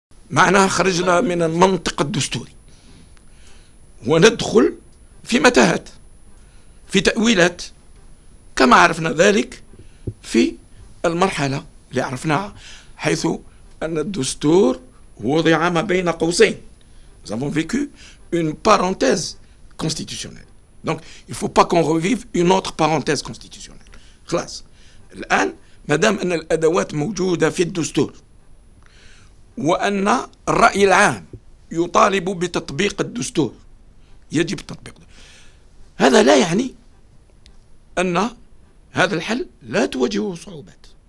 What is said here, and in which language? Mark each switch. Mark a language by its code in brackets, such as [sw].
[ar] معناها خرجنا من المنطق الدستوري وندخل في متاهات، في تأويلات، كما عرفنا ذلك في المرحلة اللي عرفناها، حيث أن الدستور وضع ما بين قوسين. [fr] Nous avons vécu une parenthèse constitutionnelle. Donc, il ne faut pas qu'on revive une autre parenthèse constitutionnelle. [ar] خلاص. الآن مادام أن الأدوات موجودة في الدستور وأن الرأي العام يطالب بتطبيق الدستور، يجب تطبيقه. هذا لا يعني أن هذا الحل لا تواجهه صعوبات.